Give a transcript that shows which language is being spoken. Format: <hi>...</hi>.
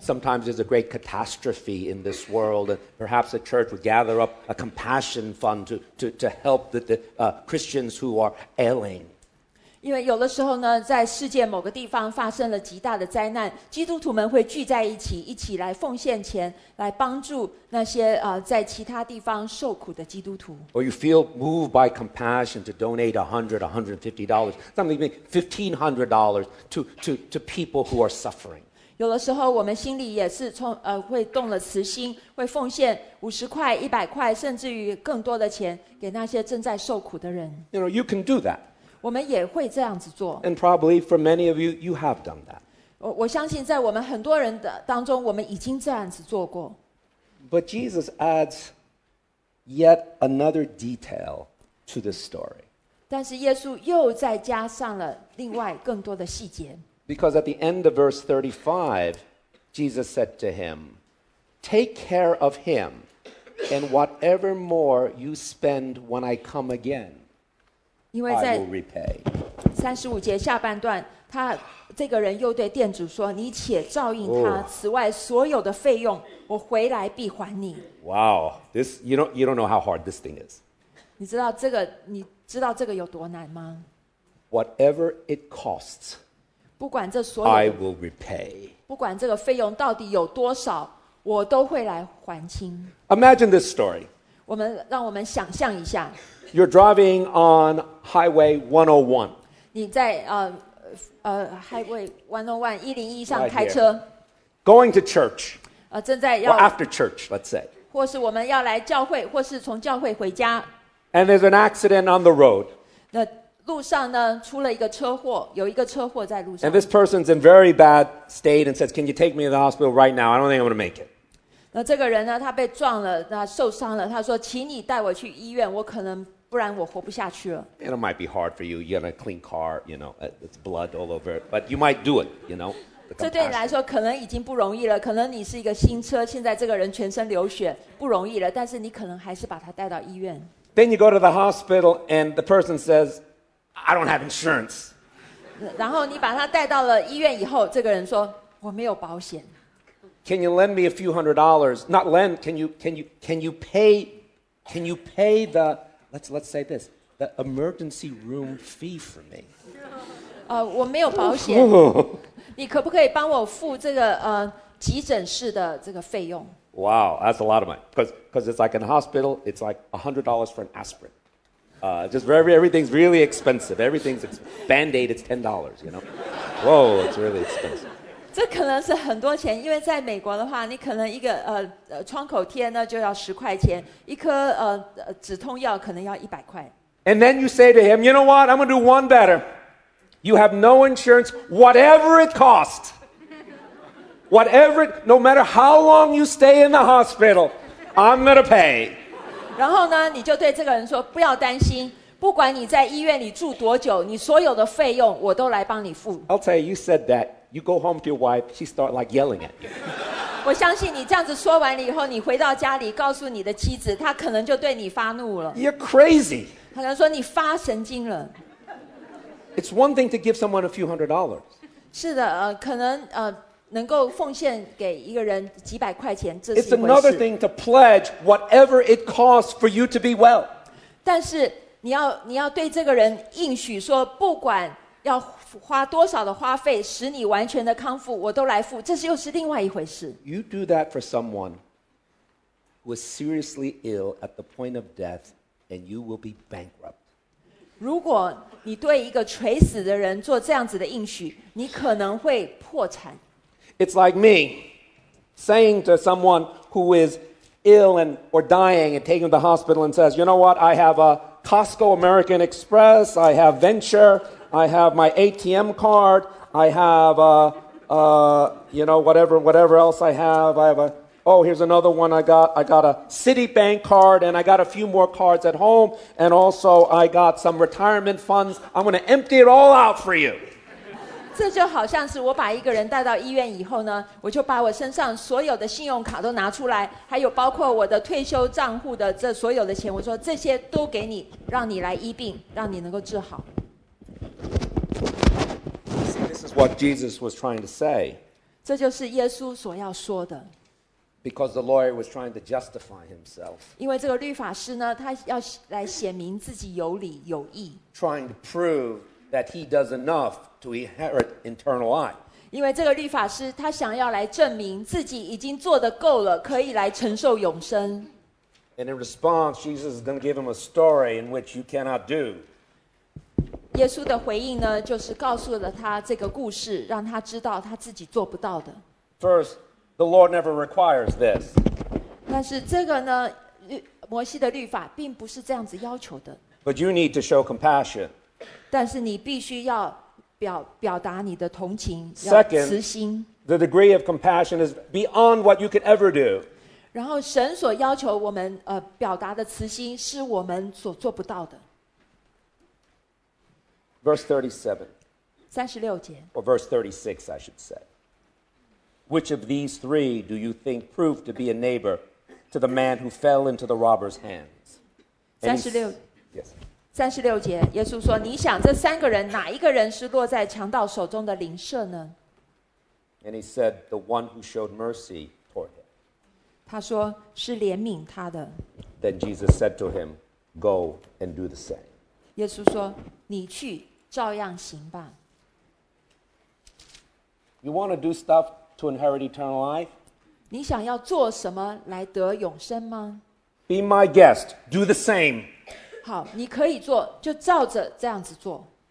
<en>Sometimes there's a great catastrophe in this world, and perhaps a church would gather up a compassion fund to help the Christians who are ailing.</en> <zh>因为有的时候呢，在世界某个地方发生了极大的灾难，基督徒们会聚在一起，一起来奉献钱，来帮助那些在其他地方受苦的基督徒。</zh> <en>Or you feel moved by compassion to donate $100, $150, something like $1,500 to people who are suffering.</en> <zh>有的时候我们心里也是会动了慈心，会奉献50块、100块，甚至于更多的钱给那些正在受苦的人。</zh> <en>You know, you can do that.</en> <zh>我们也会这样子做。</zh> <en>And probably for many of you, you have done that.</en> <zh>我相信在我们很多人的当中，我们已经这样子做过。</zh> <en>But Jesus adds yet another detail to this story.</en> <zh>但是耶稣又再加上了另外更多的细节。</zh> <en>Because at the end of verse 35, Jesus said to him, Take care of him, and whatever more you spend when I come again,</en> <zh>因为在35 节下半段，他这个人又对店主说，你且照应他，此外所有的费用我回来必还你。</zh> <en>Wow, this, you don't know how hard this thing is.</en> <zh>你知道这个有多难吗？</zh> <en>Whatever it costs,</en> <zh>不管这所有，</zh> <en>I will repay.</en> <zh>不管这个费用到底有多少，我都会来还清。</zh> <en>Imagine this story.</en> <zh>让我们想象一下。</zh> <en>You're driving on Highway 101.</en> <zh>你在Highway 101, 101上开车。</zh> <en>Going to church.</en> <zh>正在要。</zh> <en>Well, after church, let's say.</en> <zh>或是我们要来教会，或是从教会回家。</zh> <en>And there's an accident on the road.</en> <zh>那路上呢，出了一个车祸，有一个车祸在路上。</zh> <en>And this person's in very bad state and says, can you take me to the hospital right now? I don't think I'm going to make it.</en> <zh>那这个人呢，他被撞了，他受伤了，他说，请你带我去医院，我可能不然我活不下去了。</zh> <en>And it might be hard for you. You got a clean car, you know, it's blood all over it. But you might do it, you know.</en> <zh>这对你来说可能已经不容易了。可能你是一个新车，现在这个人全身流血，不容易了。但是你可能还是把他带到医院。</zh> <en>Then you go to the hospital, and the person says, "I don't have insurance."</en> <zh>然后你把他带到了医院以后，这个人说，我没有保险。</zh> <en>Can you lend me a few hundred dollars? Not lend. Can you pay the Let's say this, the emergency room fee for me.</en> <zh>我没有保险。你可不可以帮我付这个急诊室的这个费用？</zh> <en>Wow, that's a lot of money. Because it's like in a hospital, it's like $100 for an aspirin. Everything's really expensive. Everything's expensive. Band-Aid, it's $10, you know? Whoa, it's really expensive.</en> <zh>这可能是很多钱，因为在美国的话，你可能一个创口贴呢就要$10，一颗止痛药可能要$100。</zh> <en>And then you say to him, you know what? I'm going to do one better. You have no insurance, whatever it costs. Whatever, no matter how long you stay in the hospital, I'm going to pay.</en> <zh>然后呢，你就对这个人说，不要担心。不管你在医院里住多久，你所有的费用我都来帮你付。</zh> <en>I'll tell you, you said that. You go home to your wife, she starts like yelling at you.</en> <zh>我相信你这样子说完了以后，你回到家里告诉你的妻子，她可能就对你发怒了。</zh> <en>You're crazy.</en> <zh>她可能说你发神经了。</zh> <en>It's one thing to give someone a few hundred dollars.</en> <zh>是的，可能能够奉献给一个人几百块钱，这是一回</zh> <en>It's another thing to pledge whatever it costs for you to be well.</en> <zh>但是你要对这个人应许说，不管要花多少的花费使你完全的康复，我都来付，这是又是另外一回事。</zh> <en>You do that for someone who is seriously ill at the point of death, and you will be bankrupt.</en> <zh>如果你对一个垂死的人做这样子的应许，你可能会破产。</zh> <en>It's like me saying to someone who is ill and or dying and taking to the hospital and says, you know what, I have a Costco American Express, I have Venture, I have my ATM card, I have whatever else I have. Here's another one I got. I got a Citibank card, and I got a few more cards at home, and also I got some retirement funds. I'm going to empty it all out for you.</en> <zh>这就好像是我把一个人带到医院以后呢，我就把我身上所有的信用卡都拿出来，还有包括我的退休账户的这所有的钱，我说这些都给你，让你来医病，让你能够治好。</zh> <en>This is what Jesus was trying to say.</en> <zh>这就是耶稣所要说的。</zh> <en>Because the lawyer was trying to justify himself.</en> <zh>因为这个律法师呢，他要来显明自己有理有义。</zh> <en>Trying to prove that he does enough to inherit eternal life.</en> <zh>因为这个律法师他想要来证明自己已经做得够了，可以来承受永生。</zh> <en>And in response, Jesus is going to give him a story in which you cannot do.</en> <zh>耶稣的回应呢，就是告诉了他这个故事，让他知道他自己做不到的。</zh> <en>First, the Lord never requires this.</en> <zh>但是这个呢，摩西的律法并不是这样子要求的。</zh> <en>But you need to show compassion.</en> <zh>但是你必须要表达你的同情，</zh> <en>Second,</en> <zh>要慈心。</zh> <en>The degree of compassion is beyond what you could ever do.</en> <zh>然后神所要求我们表达的慈心是我们所做不到的。</zh> <en>Verse 36, I should say. Which of these three do you think proved to be a neighbor to the man who fell into the robber's hands? 36. Yes.</en> <zh>36节，耶稣说：你想这三个人哪一个人是落在强盗手中的邻舍呢？</zh> <en>And he said, the one who showed mercy toward him.</en> <zh>他说是怜悯他的。</zh> <en>Then Jesus said to him, go and do the same.</en> <zh>耶稣说你去照样行吧。</zh> <en>You want to do stuff to inherit eternal life?</en> <zh>你想要做什么来得永生吗？</zh> <en>Be my guest, do the same.</en> <zh>好，你可以做，就照着这样子做。</zh>